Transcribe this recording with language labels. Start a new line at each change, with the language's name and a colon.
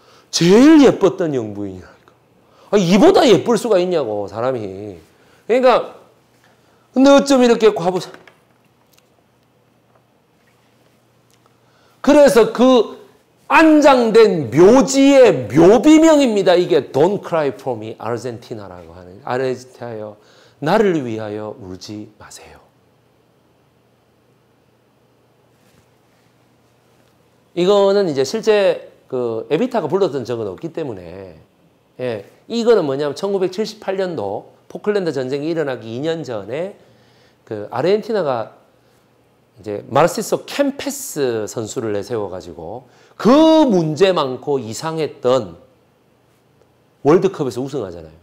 Korean: 제일 예뻤던 영부인이라니까. 아, 이보다 예쁠 수가 있냐고 사람이. 그러니까 근데 어쩜 이렇게 과부사. 그래서 그 안장된 묘지의 묘비명입니다. 이게
English: Don't cry for me, Argentina
Korean: 라고 하는. 아르헨티나여, 나를 위하여 울지 마세요. 이거는 이제 실제 그 에비타가 불렀던 적은 없기 때문에, 예, 이거는 뭐냐면 1978년도 포클랜드 전쟁이 일어나기 2년 전에 그 아르헨티나가 이제 마르시소 캠페스 선수를 내세워가지고 그 문제 많고 이상했던 월드컵에서 우승하잖아요.